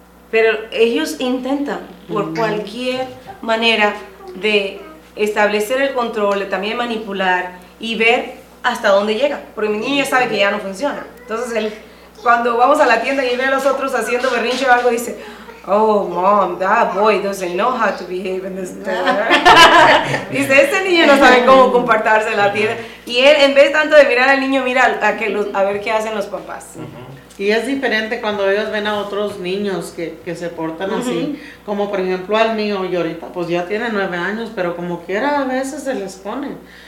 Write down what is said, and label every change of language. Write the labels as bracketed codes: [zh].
[es] Pero ellos intentan por cualquier manera de establecer el control, de también manipular y ver hasta dónde llega. Porque mi niño ya sabe que ya no funciona. Entonces él, cuando vamos a la tienda y ve a los otros haciendo berrinche o algo, dice... [en] Oh, mom, that boy doesn't know how to behave in this town. [es] Dice, este niño no sabe cómo comportarse en la tierra. Y él, en vez tanto de mirar al niño, mira a ver qué hacen los papás. Uh-huh. Y es diferente cuando ellos ven a otros niños que se portan uh-huh. así. Como, por ejemplo, al mío, y ahorita, pues ya tiene 9 años, pero como quiera, a veces se les pone.